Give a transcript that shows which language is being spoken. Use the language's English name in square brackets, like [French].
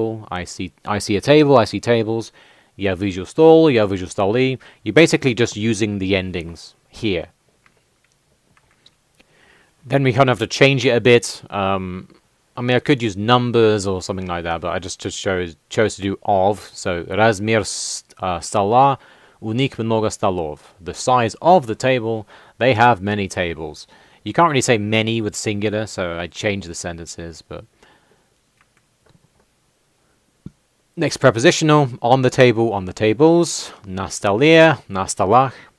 [English] I see a table. I see tables. [Russian] Я вижу стол. Я вижу столы. [English] You're basically just using the endings here. Then we kind of have to change it a bit. I mean, I could use numbers or something like that, but I just chose to do of. [Russian] So, размер стола, у них много столов. [English] The size of the table, they have many tables. You can't really say many with singular, so I changed the sentences, but next prepositional, on the table, on the tables. [Russian] На столе, на столах.